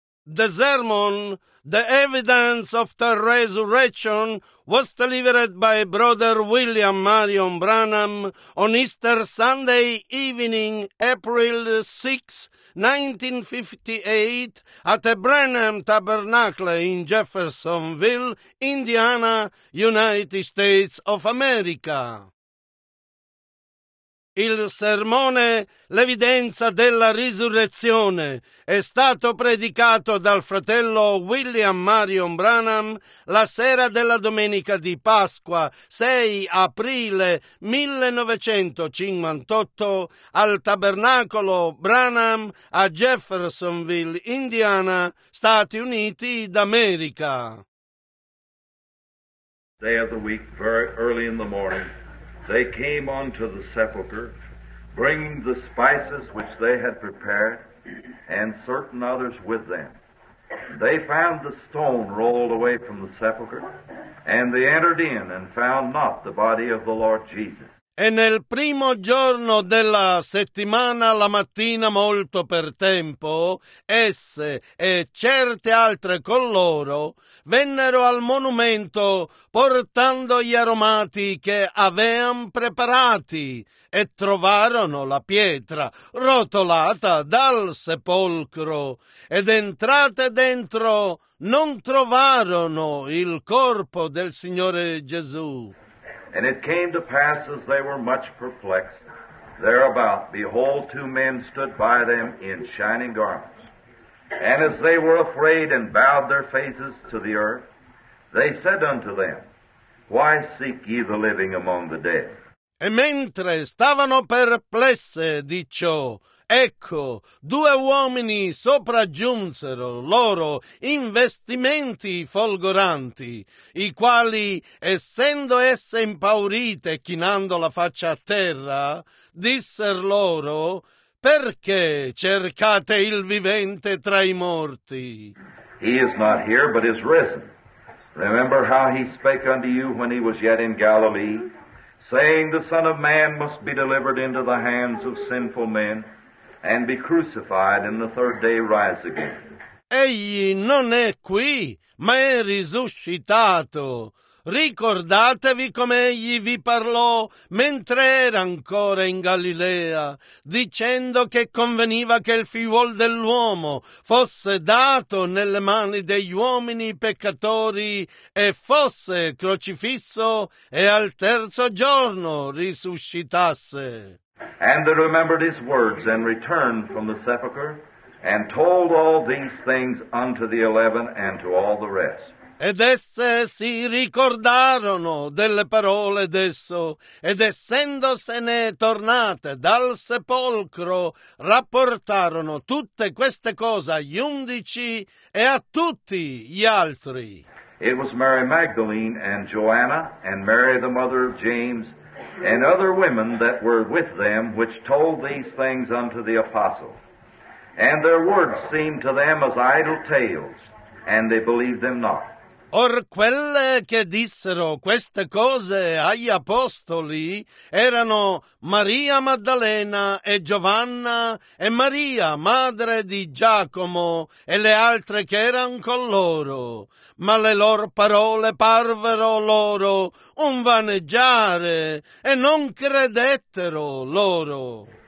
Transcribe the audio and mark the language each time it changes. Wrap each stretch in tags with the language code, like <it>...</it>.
<en>The sermon, The Evidence of the Resurrection, was delivered by Brother William Marion Branham on Easter Sunday evening, April 6, 1958, at the Branham Tabernacle in Jeffersonville, Indiana, United States of America.</en> <it>Il sermone L'evidenza della risurrezione è stato predicato dal fratello William Marion Branham la sera della domenica di Pasqua, 6 aprile 1958, al tabernacolo Branham a Jeffersonville, Indiana, Stati Uniti d'America.</it> <en>Day of the week, very early in the morning, they came unto the sepulcher, bringing the spices which they had prepared, and certain others with them. They found the stone rolled away from the sepulcher, and they entered in and found not the body of the Lord Jesus.</en> <it>E nel primo giorno della settimana, la mattina molto per tempo, esse e certe altre con loro vennero al monumento portando gli aromati che avean preparati e trovarono la pietra rotolata dal sepolcro ed entrate dentro non trovarono il corpo del Signore Gesù.</it> <en>And it came to pass, as they were much perplexed thereabout, behold, two men stood by them in shining garments. And as they were afraid and bowed their faces to the earth, they said unto them, Why seek ye the living among the dead?</en> <it>E mentre stavano perplesse di ciò, ecco, due uomini sopraggiunsero loro investimenti folgoranti, i quali, essendo esse impaurite, chinando la faccia a terra, disser loro, Perché cercate il vivente tra i morti?</it> <en>He is not here, but is risen. Remember how he spake unto you when he was yet in Galilee, saying, The Son of Man must be delivered into the hands of sinful men, and be crucified, and the third day rise again.</en> <it>Egli non è qui, ma è risuscitato. Ricordatevi come egli vi parlò mentre era ancora in Galilea, dicendo che conveniva che il figliuol dell'uomo fosse dato nelle mani degli uomini peccatori e fosse crocifisso e al terzo giorno risuscitasse.</it> <en>And they remembered his words, and returned from the sepulchre, and told all these things unto the 11 and to all the rest.</en> <it>Ed esse si ricordarono delle parole d'esso, ed essendosene tornate dal sepolcro, rapportarono tutte queste cose agli 11 e a tutti gli altri.</it> <en>It was Mary Magdalene and Joanna, and Mary the mother of James, and other women that were with them, which told these things unto the apostles. And their words seemed to them as idle tales, and they believed them not.</en> <it>Or quelle che dissero queste cose agli apostoli erano Maria Maddalena e Giovanna e Maria, madre di Giacomo, e le altre che erano con loro. Ma le loro parole parvero loro un vaneggiare, e non credettero loro.</it>